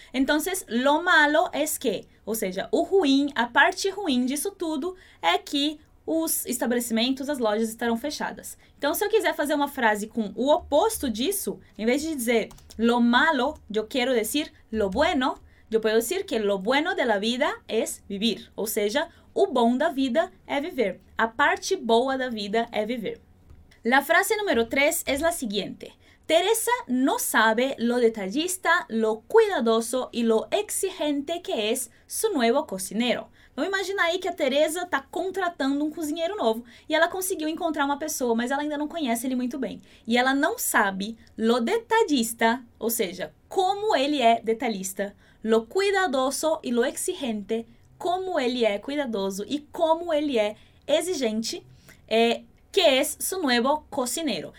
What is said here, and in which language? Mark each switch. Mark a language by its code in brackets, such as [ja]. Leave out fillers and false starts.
[pt] Então, [es] lo malo es que, [pt] ou seja, o ruim, a parte ruim disso tudo é que os estabelecimentos, as lojas estarão fechadas. Então, se eu quiser fazer uma frase com o oposto disso, em vez de dizer [es] lo malo, [pt] eu quero dizer lo bueno, eu posso dizer que [es] lo bueno de la vida es vivir, [pt] ou seja, o bom da vida é viver, a parte boa da vida é viver. [es] La frase número 3 es la siguiente. Teresa no sabe lo detallista, lo cuidadoso y lo exigente que es su nuevo cocinero. [pt] Vamos imaginar aí que a Teresa está contratando um cozinheiro novo e ela conseguiu encontrar uma pessoa, mas ela ainda não conhece ele muito bem. E ela não sabe [es] lo detallista, [pt] ou seja, como ele é detalhista, [es] lo cuidadoso y lo exigente, [pt] como ele é cuidadoso y como ele é exigente, [es] que es su nuevo cocinero.